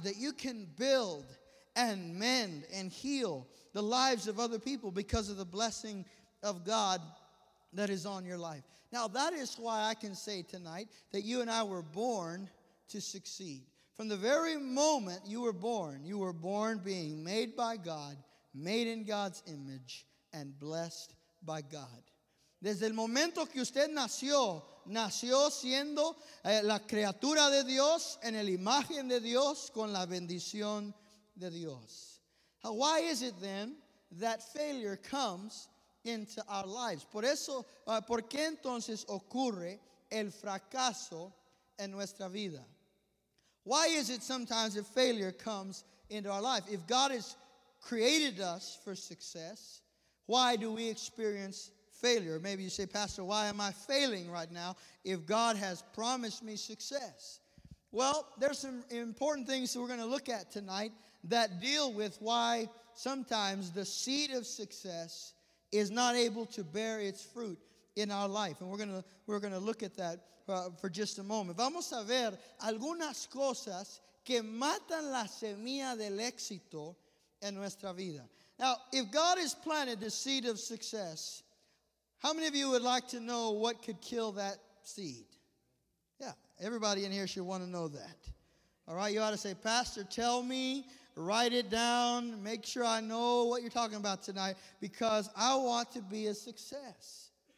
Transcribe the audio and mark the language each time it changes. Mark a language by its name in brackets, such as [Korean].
[English] That you can build and mend and heal the lives of other people because of the blessing of God that is on your life. Now, that is why I can say tonight that you and I were born to succeed. From the very moment you were born being made by God, made in God's image, and blessed by God. [Spanish] Desde el momento que usted nació, nació siendo la criatura de Dios, en la imagen de Dios, con la bendición de Dios. [English] Now, why is it then that failure comes into our lives? [Spanish] Por eso, ¿por qué entonces ocurre el fracaso en nuestra vida? [English] Why is it sometimes a failure comes into our life? If God has created us for success, why do we experience failure? Maybe you say, Pastor, why am I failing right now if God has promised me success? Well, there's some important things that we're going to look at tonight that deal with why sometimes the seed of success is not able to bear its fruit in our life. And we're gonna look at that for just a moment. [Spanish] Vamos a ver algunas cosas que matan la semilla del éxito en nuestra vida. [English] Now, if God has planted the seed of success, how many of you would like to know what could kill that seed? Yeah, everybody in here should want to know that. All right, you ought to say, Pastor, tell me write it down, make sure I know what you're talking about tonight, because I want to be a success.